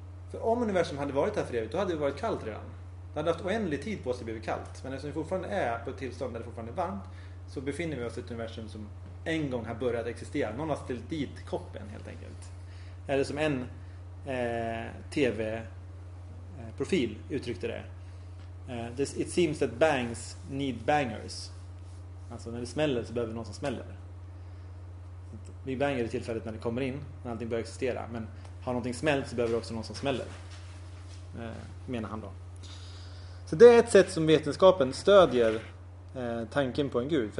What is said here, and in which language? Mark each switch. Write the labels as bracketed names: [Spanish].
[Swedish] För om universum hade varit här för evigt, då hade det varit kallt redan. Det hade haft oändlig tid på oss att bli kallt. Men eftersom vi fortfarande är på ett tillstånd där det fortfarande är varmt, så befinner vi oss i ett universum som en gång har börjat existera. Någon har ställt dit koppen helt enkelt. Eller som en tv-profil uttryckte det. [English] It seems that bangs need bangers. [Swedish] Alltså när det smäller så behöver någon som smäller. Vi banger i tillfället när det kommer in, när allting börjar existera. Men har någonting smält så behöver också någon som smäller. Menar han då. Så det är ett sätt som vetenskapen stödjer tanken på en gud.